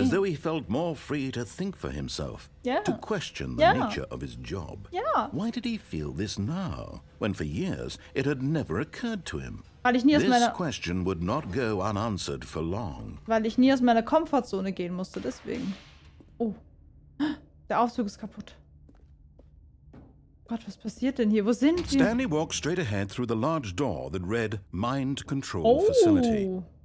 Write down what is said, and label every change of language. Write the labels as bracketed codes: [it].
[en] as though he felt more free to think for himself, yeah, to question the, yeah, nature of his job. Yeah. Why did he feel this now, when for years it had never occurred to him? [de] Weil ich nie aus meiner [en] question would not go unanswered for long. [de] Weil ich nie aus meiner Komfortzone gehen musste, deswegen. Oh, der Aufzug ist kaputt. Gott, was passiert denn hier? Wo sind wir? [en] Stanley walked straight ahead through the large door that read Mind Control Facility.